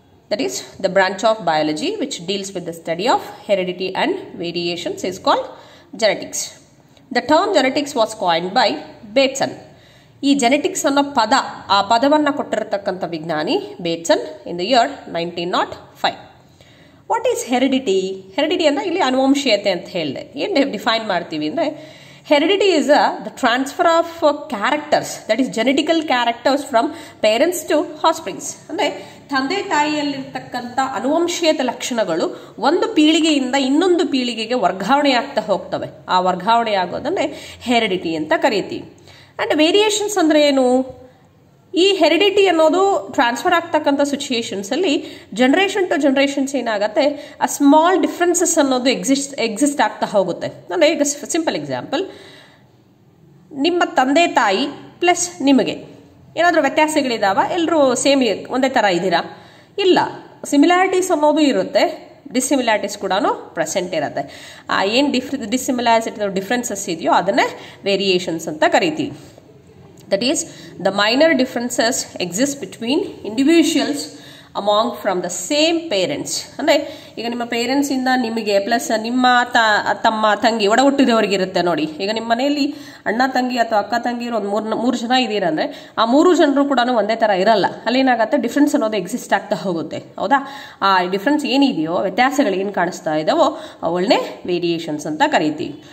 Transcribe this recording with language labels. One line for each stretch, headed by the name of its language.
English: That is the branch of biology which deals with the study of heredity and variations is called genetics. The term genetics was coin by Bateson.
Kannada: ಈ genetics ಅನ್ನೋ ಪದ, ಆ ಪದವನ್ನು ಕೊಟ್ಟಿರತಕ್ಕಂಥ ವಿಜ್ಞಾನಿ Bateson
English: In the year 1905. What is heredity?
Kannada: Heredity ಅಂದರೆ ಇಲ್ಲಿ ಅನುವಂಶೀಯತೆ ಅಂತ ಹೇಳಿದೆ. ಏನು ಡಿಫೈನ್ ಮಾಡ್ತೀವಿ ಅಂದರೆ,
English: heredity is the transfer of characters, that is genetical characters, from parents to offsprings.
Kannada: ಅಂದರೆ ತಂದೆ ತಾಯಿಯಲ್ಲಿರ್ತಕ್ಕಂಥ ಅನುವಂಶೀಯತೆ ಲಕ್ಷಣಗಳು ಒಂದು ಪೀಳಿಗೆಯಿಂದ ಇನ್ನೊಂದು ಪೀಳಿಗೆಗೆ ವರ್ಗಾವಣೆಯಾಗ್ತಾ ಹೋಗ್ತವೆ. ಆ ವರ್ಗಾವಣೆ ಆಗೋದನ್ನೇ ಹೆರಿಡಿಟಿ ಅಂತ ಕರಿತೀವಿ. ಆ್ಯಂಡ್ ವೇರಿಯೇಷನ್ಸ್ ಅಂದರೆ ಏನು? ಈ ಹೆರಿಡಿಟಿ ಅನ್ನೋದು ಟ್ರಾನ್ಸ್ಫರ್ ಆಗ್ತಕ್ಕಂಥ ಸಿಚುಯೇಷನ್ಸಲ್ಲಿ ಜನ್ರೇಷನ್ ಟು ಜನ್ರೇಷನ್ಸ್ ಏನಾಗುತ್ತೆ, ಆ ಸ್ಮಾಲ್ ಡಿಫ್ರೆನ್ಸಸ್ ಅನ್ನೋದು ಎಕ್ಸಿಸ್ಟ್ ಆಗ್ತಾ ಹೋಗುತ್ತೆ. ಅಂದರೆ ಈಗ ಸಿಂಪಲ್ ಎಕ್ಸಾಂಪಲ್, ನಿಮ್ಮ ತಂದೆ ತಾಯಿ ಪ್ಲಸ್ ನಿಮಗೆ ಏನಾದರೂ ವ್ಯತ್ಯಾಸಗಳಿದ್ದಾವ? ಎಲ್ಲರೂ ಸೇಮ್ ಒಂದೇ ಥರ ಇದ್ದೀರಾ? ಇಲ್ಲ, ಸಿಮಿಲಾರಿಟೀಸ್ ಅನ್ನೋದು ಇರುತ್ತೆ, ಡಿಸಿಮಿಲಾರಿಟೀಸ್ ಕೂಡ ಪ್ರೆಸೆಂಟ್ ಇರುತ್ತೆ. ಆ ಏನು ಡಿಸಿಮಿಲಾರಿಟಿ ಡಿಫ್ರೆನ್ಸಸ್ ಇದೆಯೋ ಅದನ್ನೇ ವೇರಿಯೇಷನ್ಸ್ ಅಂತ ಕರಿತೀವಿ.
English: That is, the minor differences exist between individuals among from the same parents.
Kannada: ಅಂದರೆ ಈಗ ನಿಮ್ಮ ಪೇರೆಂಟ್ಸಿಂದ ನಿಮಗೆ ಪ್ಲಸ್ ನಿಮ್ಮ ತಮ್ಮ ತಂಗಿ ಒಡ ಹುಟ್ಟಿದವರಿಗಿರುತ್ತೆ ನೋಡಿ. ಈಗ ನಿಮ್ಮ ಮನೆಯಲ್ಲಿ ಅಣ್ಣ ತಂಗಿ ಅಥವಾ ಅಕ್ಕ ತಂಗಿ ಇರೋ ಒಂದು ಮೂರು ಜನ ಇದ್ದೀರಂದರೆ ಆ ಮೂರು ಜನರು ಕೂಡ ಒಂದೇ ಥರ ಇರಲ್ಲ. ಅಲ್ಲಿ ಏನಾಗುತ್ತೆ, ಡಿಫ್ರೆನ್ಸ್ ಅನ್ನೋದು ಎಕ್ಸಿಸ್ಟ್ ಆಗ್ತಾ ಹೋಗುತ್ತೆ. ಹೌದಾ? ಆ ಡಿಫ್ರೆನ್ಸ್ ಏನಿದೆಯೋ, ವ್ಯತ್ಯಾಸಗಳು ಏನು ಕಾಣಿಸ್ತಾ ಇದ್ದಾವೋ ಅವುಗಳನ್ನೇ ವೇರಿಯೇಷನ್ಸ್ ಅಂತ ಕರಿತೀವಿ.